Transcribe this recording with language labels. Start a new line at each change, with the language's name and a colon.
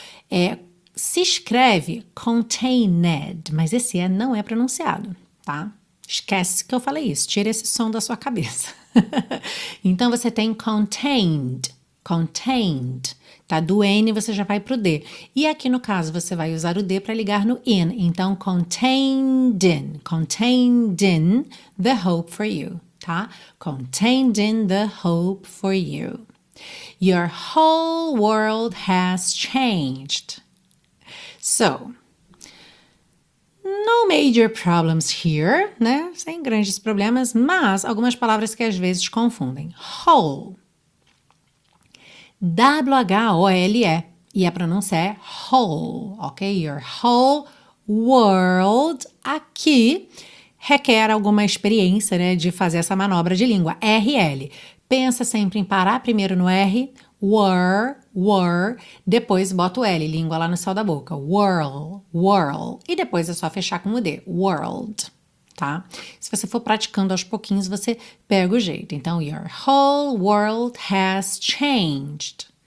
Portuguese: É, se escreve contained, mas esse E não é pronunciado, tá? Esquece que eu falei isso. Tira esse som da sua cabeça. Então, você tem contained. Contained. Tá? Do N você já vai pro D. E aqui, no caso, você vai usar o D para ligar no in.
English: Então, contained in. Contained in the hope for you. Tá? Contained in the hope for you. Your whole world has changed. So, no major problems here, né?
Portuguese: Sem grandes problemas, mas algumas palavras que às vezes confundem. Whole. W-H-O-L-E. E a pronúncia é whole, ok?
English: Your whole world
Portuguese: aqui requer alguma experiência, né, de fazer essa manobra de língua, RL. Pensa sempre em parar primeiro no R, were, depois bota o L, língua lá no céu da boca, whirl, e depois é só fechar com o D, world, tá? Se você for praticando aos pouquinhos, você pega o jeito.
English: Então, your whole world has changed.